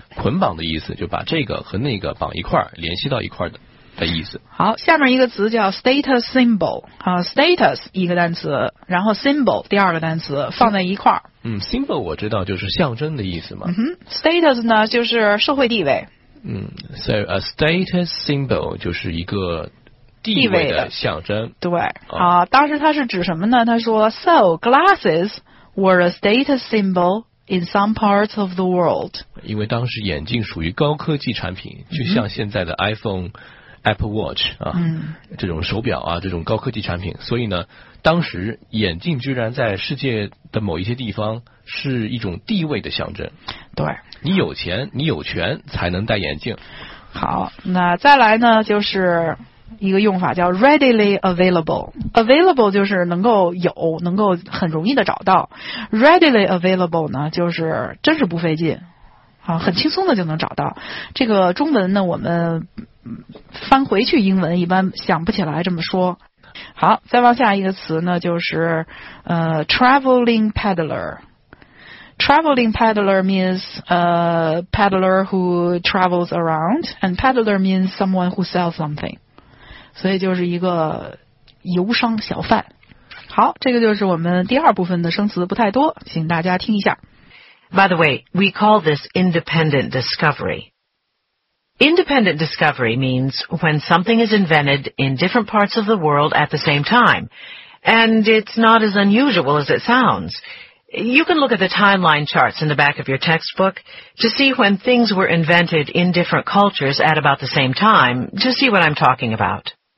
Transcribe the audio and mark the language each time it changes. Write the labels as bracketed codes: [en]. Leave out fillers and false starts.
[zh] 捆绑的意思，就把这个和那个绑一块儿，联系到一块儿的。的意思。好，下面一个词叫 status symbol 啊 ，status 一个单词，然后 symbol 第二个单词放在一块儿。嗯 ，symbol 我知道就是象征的意思嘛。嗯哼 ，status 呢就是社会地位。嗯 ， [en] so a status symbol [zh] 就是一个地位的象征。对，啊，当时他是指什么呢？他说 [en] ，so glasses were a status symbol。 In some parts of the world. [zh] 因为当时眼镜属于高科技产品，就像现在的 iPhone、Apple Watch 啊，这种手表啊，这种高科技产品，所以呢，当时眼镜居然在世界的某一些地方是一种地位的象征。对，你有钱，你有权才能戴眼镜。好，那再来呢，就是一个用法叫 readily available， available 就是能够有，能够很容易的找到。 readily available 呢就是真是不费劲啊，很轻松的就能找到。这个中文呢我们翻回去英文一般想不起来这么说。好，再往下一个词呢就是traveling peddler。 [en] Traveling peddler means a peddler who travels around， and peddler means someone who sells something， [zh] 所以就是一个游商小贩。好，这个就是我们第二部分的生词，不太多，请大家听一下。 [en] By the way, we call this independent discovery. Independent discovery means when something is invented in different parts of the world at the same time. And it's not as unusual as it sounds. You can look at the timeline charts in the back of your textbook to see when things were invented in different cultures at about the same time to see what I'm talking about.